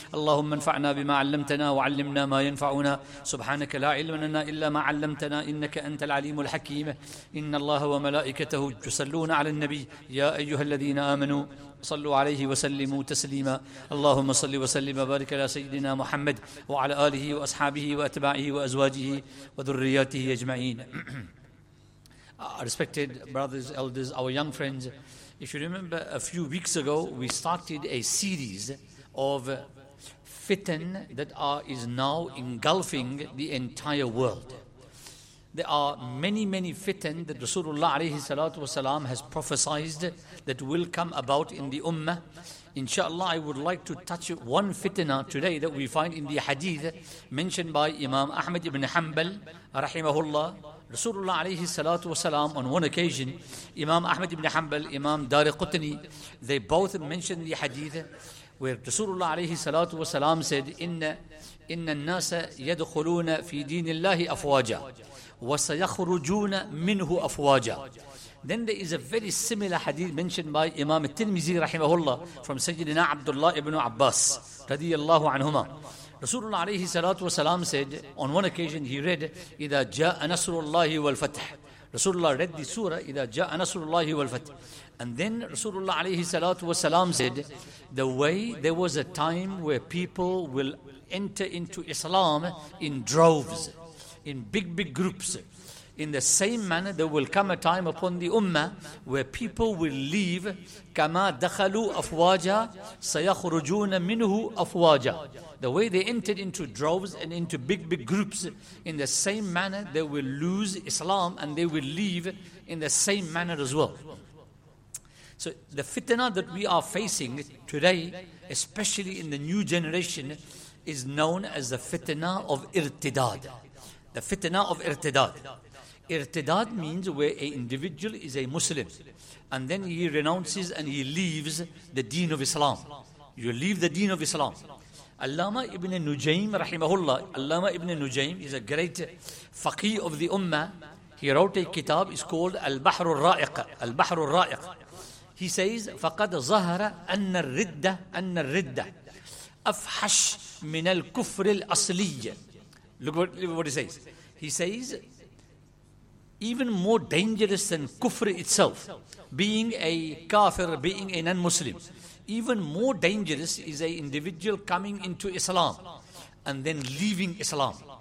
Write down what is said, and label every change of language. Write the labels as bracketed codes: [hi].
[ar] اللهم انفعنا بما علمتنا وعلمنا ما ينفعنا، سبحانك لا علم لنا إلا ما علمتنا إنك أنت العليم الحكيم. إن الله وملائكته يصلون على النبي: يا أيها الذين آمنوا صلوا عليه وسلموا تسليما. اللهم صل وسلم وبارك على سيدنا محمد وعلى آله وأصحابه وأتباعه وأزواجه وذرياته أجمعين. [en] Respected brothers, elders, our young friends, if you remember, a few weeks ago we started a series of fitan that is now engulfing the entire world. There are many, many fitan that Rasulullah alayhi salatu wasalam has prophesied that will come about in the ummah. Inshallah, I would like to touch one fitna today that we find in the hadith mentioned by Imam Ahmad ibn Hanbal rahimahullah. Rasulullah alayhi salatu wasalam, on one occasion, Imam Ahmad ibn Hanbal, Imam Dariqutni, they both mentioned the hadith where Rasulullah alayhi salatu wasalam said, [ar] inna an-nasa yadkhuluna fi dinillahi afwaja وَسَيَخْرُجُونَ مِنْهُ أَفْوَاجًا. [en] Then there is a very similar hadith mentioned by Imam al-Tirmizi rahimahullah from Sayyidina Abdullah ibn Abbas radiyallahu anhuma. Rasulullah alayhi salatu wa salam said, on one occasion he read, [ar] إِذَا جَاءَ نَصْرُ اللَّهِ وَالْفَتْحِ. [en] Rasulullah read the surah, [ar] إِذَا جَاءَ نَصْرُ اللَّهِ وَالْفَتْحِ. [en] And then Rasulullah alayhi salatu wa salam said, the way there was a time where people will enter into Islam in droves, in big groups, in the same manner there will come a time upon the ummah where people will leave. [ar] Kama dakhalu afwaja sayakhrujuna minhu afwaja. [en] The way they entered into droves and into big groups, in the same manner they will lose Islam and they will leave in the same manner as well. So the fitna that we are facing today, especially in the new generation, is known as the fitna of irtidad. The fitna of irtidad. Irtidad means where an individual is a Muslim and then he renounces and he leaves the deen of Islam. You leave the deen of Islam. Allama ibn Nujaym rahimahullah, Allama ibn Nujaym is a great faqih of the ummah. He wrote a kitab, it's called Al-Bahru al-Ra'iq. Al-Bahru al-Ra'iq. He says, [ar] فَقَدْ ظَهَرَ أَنَّ الرِّدَّةَ أَنَّ الرِّدَّةَ أَفْحَشْ مِنَ الْكُفْرِ الْأَصْلِيَّ. [en] Look what he says. He says, even more dangerous than kufr itself, being a kafir, being a non-Muslim, even more dangerous is an individual coming into Islam and then leaving Islam.